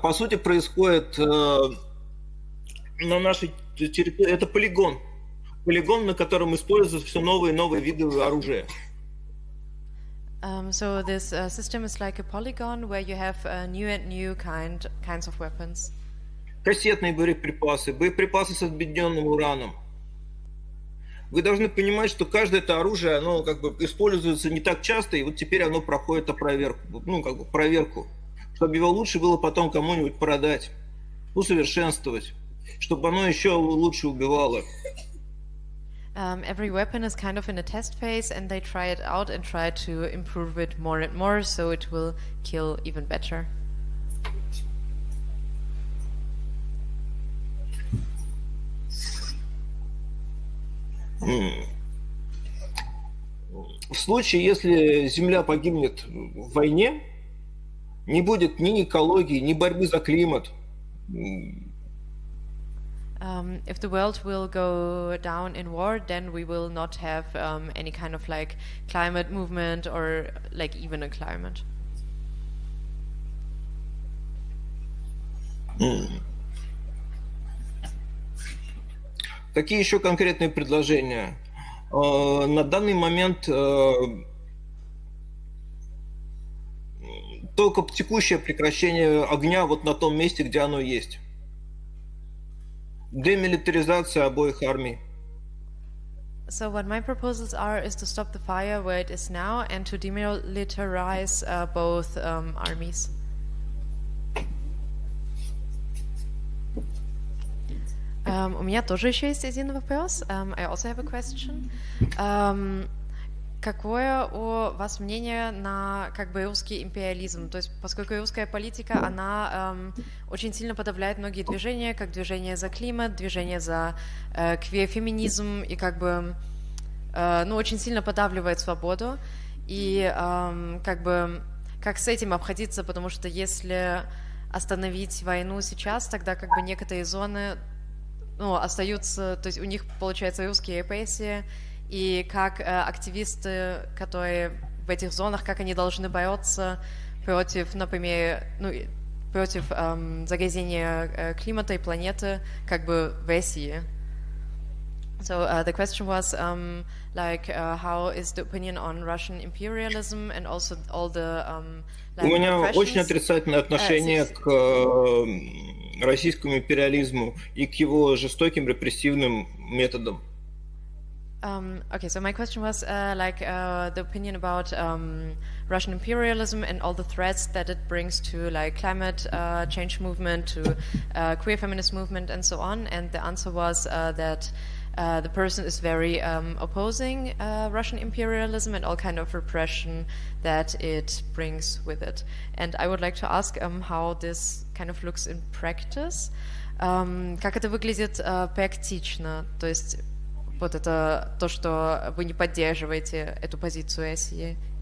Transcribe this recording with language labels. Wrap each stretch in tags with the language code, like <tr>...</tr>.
<ru>По сути, происходит на нашей территории. Это полигон. Полигон, на котором используются все новые и новые виды оружия.</ru> <en>So this system is like a polygon where you have new and new kinds of weapons.</en> <ru>Кассетные боеприпасы, боеприпасы с обедненным ураном. Вы должны понимать, что каждое это оружие, оно как бы используется не так часто, и вот теперь оно проходит опроверку, ну как бы проверку, чтобы его лучше было потом кому-нибудь продать, усовершенствовать, чтобы оно еще лучше убивало.</ru> <en>Every weapon is kind of in a test phase, and they try it out and try to improve it more and more, so it will kill even better.</en> <ru>В случае, если Земля погибнет в войне, не будет ни экологии, ни борьбы за климат.</ru> <en>If the world will go down in war, then we will not have any kind of like climate movement or like even a climate.</en> <ru>Какие еще конкретные предложения? На данный момент только текущее прекращение огня вот на том месте, где оно есть. Демилитаризация обоих армий.</ru> <en>So what my proposals are is to stop the fire where it is now and to demilitarize both armies.</en> <ru>У меня тоже еще есть один вопрос.</ru> <en>I also have a question.</en> <ru>Какое у вас мнение на как бы русский империализм? То есть, поскольку русская политика, она очень сильно подавляет многие движения, как движение за климат, движение за квир-феминизм и как бы ну, очень сильно подавливает свободу. И как бы как с этим обходиться? Потому что если остановить войну сейчас, тогда как бы некоторые зоны ну, остаются, то есть у них получается русские репрессии, и как активисты, которые в этих зонах, как они должны бороться против, например, ну, против загрязнения климата и планеты, как бы в России.</ru> <en>So the question was like how is the opinion on Russian imperialism and also all the</en> <ru>like, у меня очень отрицательное отношение к российскому империализму и к его жестоким репрессивным методам.</ru> <en>Okay, so my question was like the opinion about Russian imperialism and all the threats that it brings to like climate change movement, to queer feminist movement and so on. And the answer was that the person is very opposing Russian imperialism and all kind of repression that it brings with it. And I would like to ask how this kind of looks in practice.</en> <ru>Как это выглядит практично? То есть вот это то, что вы не поддерживаете эту позицию России.</ru>